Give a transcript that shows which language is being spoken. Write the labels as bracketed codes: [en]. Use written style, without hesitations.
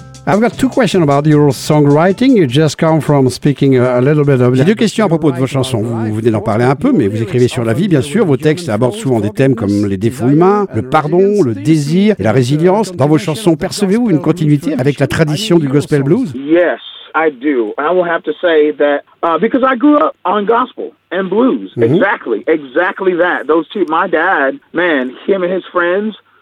[en] I've got two questions about your songwriting. You just come from speaking a little bit of... [fr] J'ai deux questions à propos de vos chansons. Vous venez d'en parler un peu, mais vous écrivez sur la vie, bien sûr. Vos textes abordent souvent des thèmes comme les défauts humains, le pardon, le désir et la résilience. Dans vos chansons, percevez-vous une continuité avec la tradition du gospel blues? [en] Yes, I do. I will have to say that because I grew up on gospel. And blues. Mm-hmm. Exactly that. Those two. My dad, man, him and his friends...